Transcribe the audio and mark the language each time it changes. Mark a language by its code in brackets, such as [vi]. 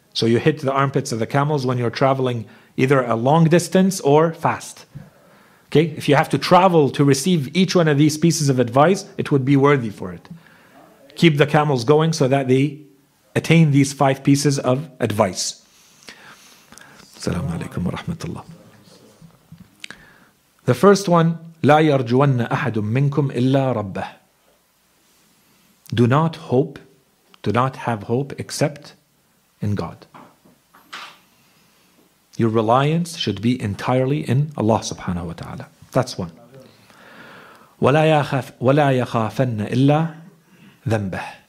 [en] So you hit the armpits of the camels when you're traveling either a long distance or fast. Okay, if you have to travel to receive each one of these pieces of advice, it would be worthy for it. Keep the camels going so that they attain these 5 pieces of advice. [ar] Assalamu alaikum wa rahmatullah. [en] The first one, [ar] لا يرجون أحد منكم إلا ربه. [en] Do not hope, do not have hope except in God. Your reliance should be entirely in Allah subhanahu wa ta'ala. That's one. [ar] وَلَا يَخَافَنَّ إِلَّا ذَنْبَهُ.